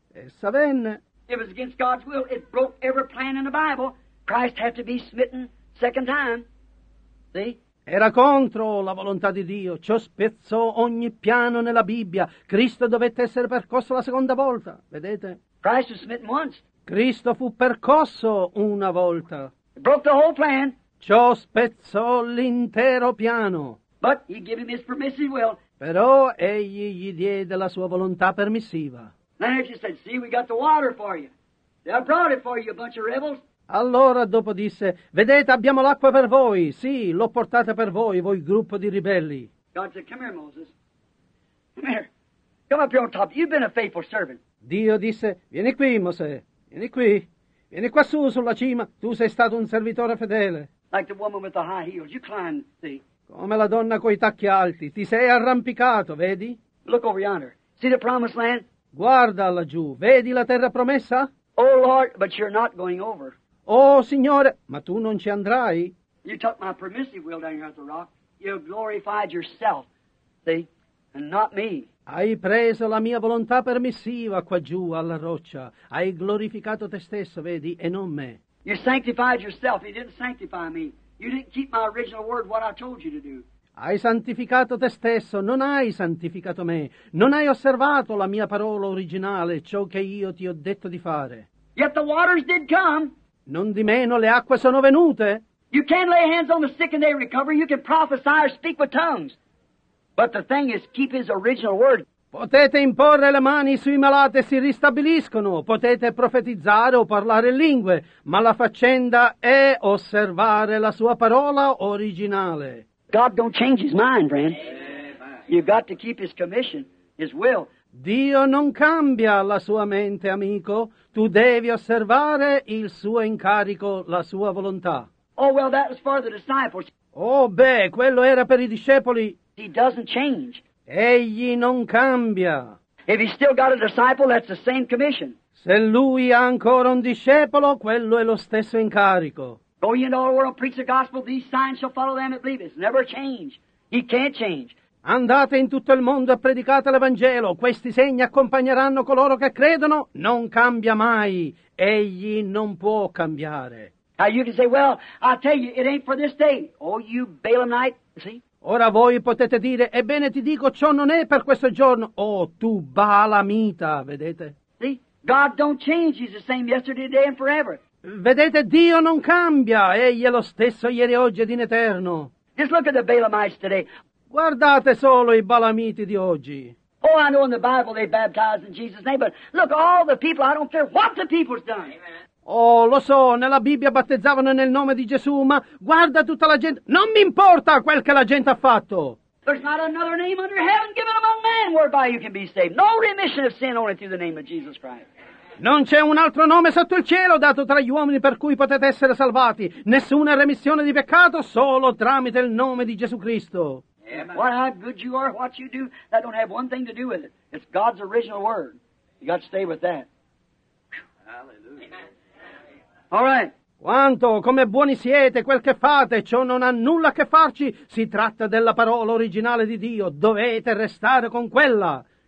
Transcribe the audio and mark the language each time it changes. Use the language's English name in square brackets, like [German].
[Italian] Essa venne. [English] It was against God's will. It broke every plan in the Bible. Christ had to be smitten second time. See? [Italian] Era contro la volontà di Dio. Ciò spezzò ogni piano nella Bibbia. Cristo dovette essere percosso la seconda volta. Vedete? [English] Christ was smitten once. [Italian] Cristo fu percosso una volta. [English] It broke the whole plan. [Italian] Ciò spezzò l'intero piano. [English] But he gave him his permissive will. [Italian] Però egli gli diede la sua volontà permissiva. [English] Then he said, see, we got the water for you. They brought it for you, a bunch of rebels. [Italian] Allora dopo disse, vedete, abbiamo l'acqua per voi. Sì, l'ho portata per voi, voi gruppo di ribelli. [English] God said, come here, Moses. Come here. Come up here on top. You've been a faithful servant. [Italian] Dio disse, vieni qui, Mosè. Vieni qui. Vieni quassù sulla cima, tu sei stato un servitore fedele. [English] Like the woman with the high heels, you climbed, see. [Italian] Come la donna coi tacchi alti, ti sei arrampicato, vedi? [English] Look over yonder, see the promised land? [Italian] Guarda laggiù, vedi la terra promessa? [English] Oh Lord, but you're not going over. [Italian] Oh Signore, ma tu non ci andrai? [English] You took my permissive will down here at the rock, you glorified yourself, see, and not me. [Italian] Hai preso la mia volontà permissiva qua giù alla roccia. Hai glorificato te stesso, vedi, e non me. [English] You sanctified yourself. You didn't sanctify me. You didn't keep my original word, what I told you to do. [Italian] Hai santificato te stesso. Non hai santificato me. Non hai osservato la mia parola originale, ciò che io ti ho detto di fare. [English] Yet the waters did come. [Italian] Non di meno le acque sono venute. [English] You can lay hands on the sick and they recover. You can prophesy or speak with tongues. But the thing is, keep his original word. [Italian] Potete imporre le mani sui malati e si ristabiliscono. Potete profetizzare o parlare in lingue. Ma la faccenda è osservare la sua parola originale. [English] God don't change his mind, friend. You've got to keep his commission, his will. [Italian] Dio non cambia la sua mente, amico. Tu devi osservare il suo incarico, la sua volontà. [English] Oh, well, that was for the disciples. [Italian] Oh, beh, quello era per i discepoli. [English] He doesn't change. [Italian] Egli non cambia. [English] If he's still got a disciple, that's the same commission. [Italian] Se lui ha ancora un discepolo, quello è lo stesso incarico. [English] Go ye into all the world, preach the gospel, these signs shall follow them that believe. It's never change. He can't change. [Italian] Andate in tutto il mondo e predicate l'Evangelo. Questi segni accompagneranno coloro che credono. Non cambia mai. Egli non può cambiare. [English] Now you can say, well, I'll tell you, it ain't for this day. Oh, you Balaamite, see? [Italian] Ora voi potete dire, ebbene ti dico, ciò non è per questo giorno. Oh, tu Balaamita, vedete? [English] See? God don't change. He's the same yesterday, today, and forever. [Italian] Vedete, Dio non cambia. Egli è lo stesso ieri, oggi ed in eterno. [English] Just look at the Balaamites today. [Italian] Guardate solo i Balaamiti di oggi. [English] Oh, I know in the Bible they baptized in Jesus' name, but look, all the people, I don't care what the people's done. Amen. [Italian] Oh, lo so, nella Bibbia battezzavano nel nome di Gesù, ma guarda tutta la gente, non mi importa quel che la gente ha fatto. [English] There's not another name under heaven given among man whereby you can be saved. No remission of sin only through the name of Jesus Christ. [Italian] Non c'è un altro nome sotto il cielo dato tra gli uomini per cui potete essere salvati. Nessuna remissione di peccato, solo tramite il nome di Gesù Cristo. [English] Yeah, what how good you are, what you do, that don't have one thing to do with it. It's God's original word. You got to stay with that. Hallelujah. All right. [Italian] Quanto, come buoni siete, quel che fate, ciò non ha nulla a che farci. Si tratta della parola originale di Dio. Dovete restare con quella.